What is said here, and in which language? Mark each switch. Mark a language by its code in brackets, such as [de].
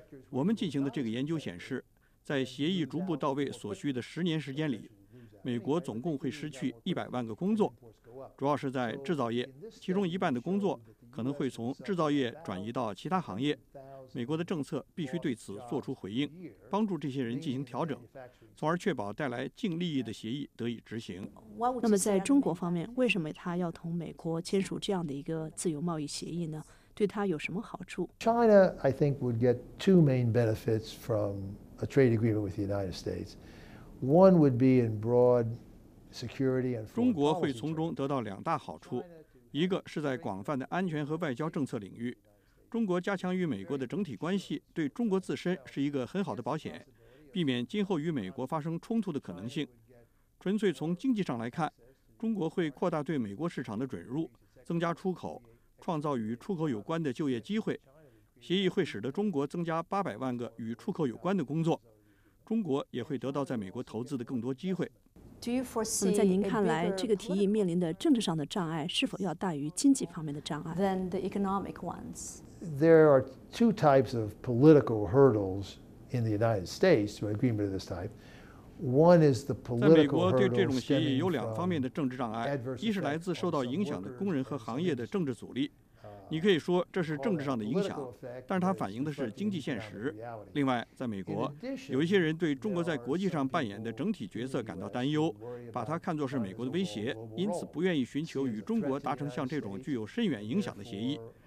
[zh] 我们进行的这个研究显示，在协议逐步到位所需的十年时间里，美国总共会失去100万个工作，主要是在制造业，其中一半的工作可能会从制造业转移到其他行业。美国的政策必须对此做出回应，帮助这些人进行调整，从而确保带来净利益的协议得以执行。那么在中国方面，为什么他要同美国签署这样的一个自由贸易协议呢？对他有什么好处？ [en] China, I think, would get two main benefits from a trade agreement with the United States. One would be in broad security and foreign. [zh] 中国会从中得到两大好处，一个是在广泛的安全和外交政策领域，中国加强与美国的整体关系，对中国自身是一个很好的保险，避免今后与美国发生冲突的可能性。纯粹从经济上来看，中国会扩大对美国市场的准入，增加出口，创造与出口有关的就业机会。协议会使得中国增加800万个与出口有关的工作，中国也会得到在美国投资的更多机会。那么在您看来，这个提议面临的政治上的障碍是否要大于经济方面的障碍 [en] ？Than the economic ones. There are two types of political hurdles in the United States to an agreement of this type. One is the political hurdles. [zh] 在美国，对这种协议有两方面的政治障碍：一是来自受到影响的工人和行业的政治阻力。你可以说这是政治上的影响，但是它反映的是经济现实。另外，在美国，有一些人对中国在国际上扮演的整体角色感到担忧，把它看作是美国的威胁，因此不愿意寻求与中国达成像这种具有深远影响的协议。